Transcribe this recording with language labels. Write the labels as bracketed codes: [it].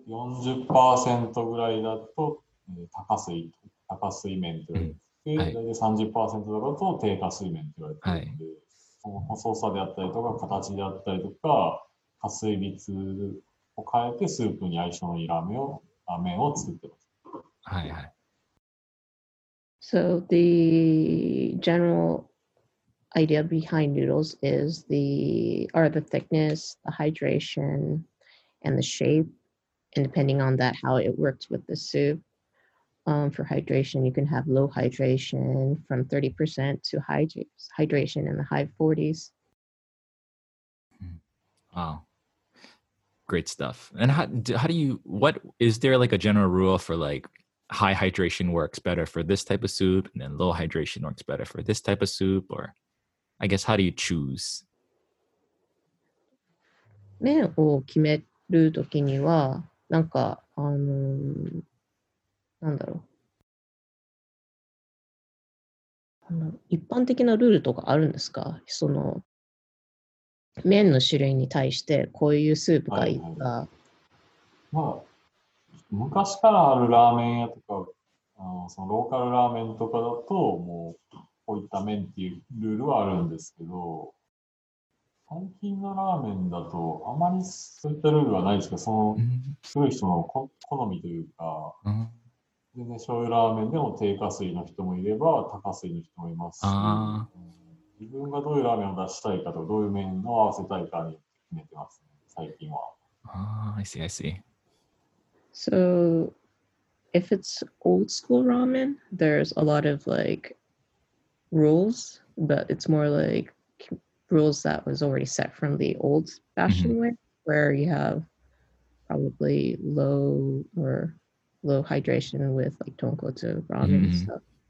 [ja] 40% ぐらいだと、高水面と言われて、うん、はい、で30% だと低下水面と言われているので、はい、その細さであったりとか形であったりとか加水率を変えてスープに相性のいいラーメンを作ってます。はいはい。 [en] So the general idea behind noodles is the thickness, the hydration, and the shape. And depending on that, how it works with the soup. For hydration, you can have low hydration from 30% to hydration in the high 40s. Wow. Great stuff. And what is there like a general rule for like high hydration works better for this type of soup and then low hydration works better for this type of soup? Or I guess, how do you choose? [ja] 麺を決めるときには、なんか、なんだろう。一般的なルールとかあるんですか？その、麺の種類に対してこういうスープがいいか。はいはい、まあ、昔からあるラーメン屋とか、そのローカルラーメンとかだと、もう、こういった麺っていうルールはあるんですけど、最近のラーメンだとあまりそういったルールはないですけど、その作る人の好みというか、全然醤油ラーメンでも低下水の人もいれば高水の人もいますし、自分がどういうラーメンを出したいかとか、どういう麺を合わせたいかに決めてます、ね、最近は。 [en] I see, I see. So, if it's old school ramen, there's a lot of like,rules, but it's more like rules that was already set from the old fashioned way, where you have probably low hydration with like tonkotsu ramen and stuff.